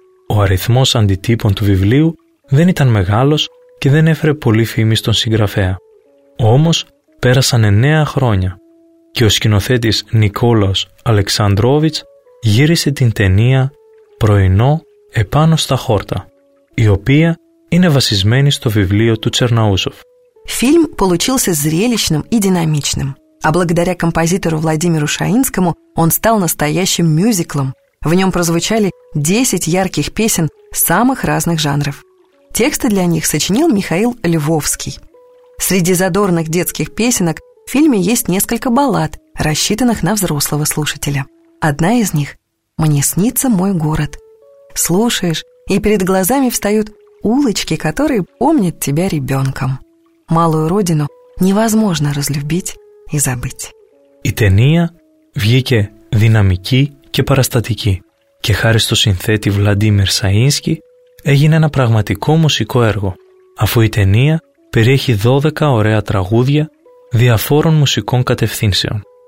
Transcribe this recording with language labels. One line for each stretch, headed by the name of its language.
Greek: Ο αριθμός αντιτύπων του βιβλίου δεν ήταν μεγάλος και δεν έφερε πολύ φήμη στον συγγραφέα. Όμως πέρασαν 9 χρόνια και ο σκηνοθέτης Νικόλαος Αλεξανδρόβιτς γύρισε την ταινία «Πρωινό επάνω στα χόρτα», η οποία είναι βασισμένη στο βιβλίο του Τσερναούσοφ.
Russian: Φιλμ получился зрелищным и динамичным, а благодаря композитору Владимиру Шаинскому он стал настоящим мюзиклом. В нем прозвучали 10 ярких песен самых разных жанров. Тексты для них сочинил Михаил Львовский. Среди задорных детских песенок в фильме есть несколько баллад, рассчитанных на взрослого слушателя. Одна из них – «Мне снится мой город». Слушаешь, и перед глазами встают улочки, которые помнят тебя ребенком. Малую родину невозможно разлюбить и забыть.
Greek: Η ταινία βγήκε δυναμική και παραστατική και χάρη στο συνθέτη Βλαντίμιρ Σαΐνσκι έγινε ένα πραγματικό μουσικό έργο, αφού η ταινία περιέχει 12 ωραία τραγούδια διαφόρων μουσικών κατευθύνσεων.